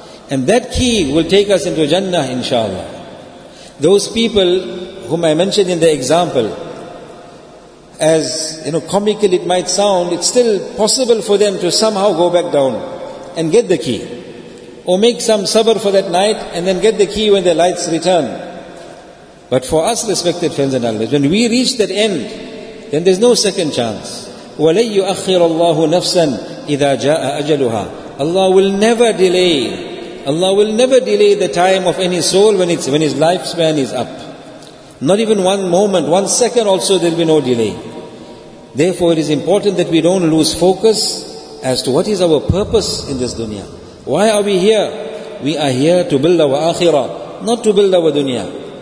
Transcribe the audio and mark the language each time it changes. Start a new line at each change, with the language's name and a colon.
English: And that key will take us into Jannah, inshallah. Those people whom I mentioned in the example, as you know, comical it might sound, it's still possible for them to somehow go back down and get the key. Or make some sabr for that night and then get the key when the lights return. But for us, respected friends and elders, when we reach that end, then there's no second chance.
Arabic: وَلَيُّؤَخِّرَ اللَّهُ نَفْسًا إِذَا جَاءَ أَجَلُهَا
English: Allah will never delay. Allah will never delay the time of any soul when his lifespan is up. Not even one moment, one second also, there'll be no delay. Therefore, it is important that we don't lose focus as to what is our purpose in this dunya. Why are we here? We are here to build our akhirah, not to build our dunya.